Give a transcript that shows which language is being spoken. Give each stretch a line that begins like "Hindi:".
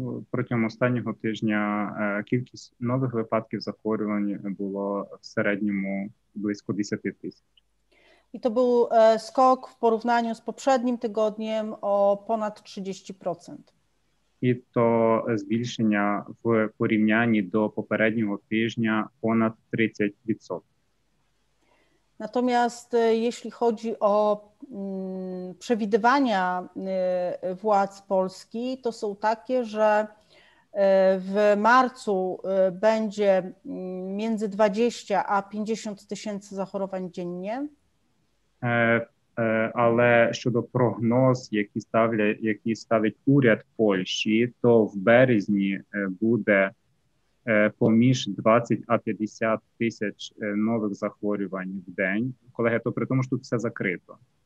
Ukrainian: Протягом останнього тижня кількість нових випадків захворювань було в середньому близько 10 тисяч. І то був скок в порівнянні з попереднім тижнем о понад 30%. І то збільшення в порівнянні до попереднього тижня понад 30%.
Polish: Natomiast jeśli chodzi o przewidywania władz Polski, to są takie, że w marcu będzie między 20 a 50 tysięcy zachorowań dziennie.
Ukrainian: Ale щодо прогноз, який ставить уряд Польщі, то в березні буде поміж 20 а 50 тисяч нових захворювань в день. Колеги, то при тому, що тут все закрито.